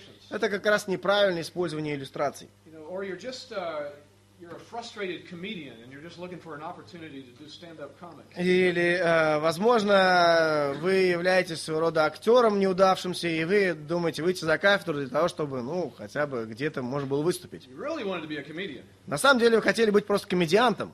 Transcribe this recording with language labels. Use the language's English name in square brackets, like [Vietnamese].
[Russian] Это как раз неправильное использование иллюстраций. [English] You know, you're a frustrated comedian, and you're just looking for an opportunity to do stand-up comics. [Russian] Или, возможно, вы являетесь своего рода актером неудавшимся, и вы думаете выйти за кафедру для того, чтобы, ну, хотя бы где-то можно было выступить. [English] You really wanted to be a comedian. [Russian] На самом деле вы хотели быть просто комедиантом.